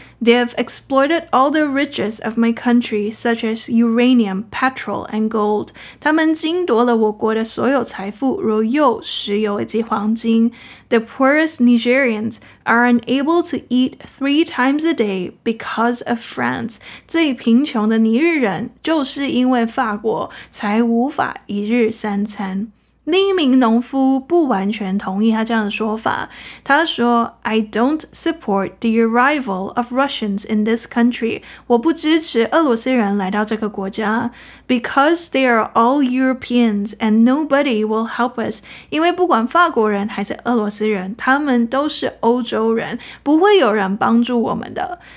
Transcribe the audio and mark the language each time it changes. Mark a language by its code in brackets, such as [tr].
[en] They've exploited all the riches of my country, such as uranium, petrol, and gold. [zh] 他们经夺了我国的所有财富，如铀、石油以及黄金。 [en] The poorest Nigerians are unable to eat 3 times a day because of France. [zh] 最贫穷的尼日人就是因为法国才无法一日三餐。另一名农夫不完全同意他这样的说法，他说， [en] I don't support the arrival of Russians in this country， [zh] 我不支持俄罗斯人来到这个国家， [en] because they are all Europeans and nobody will help us， [zh] 因为不管法国人还是俄罗斯人，他们都是欧洲人，不会有人帮助我们的。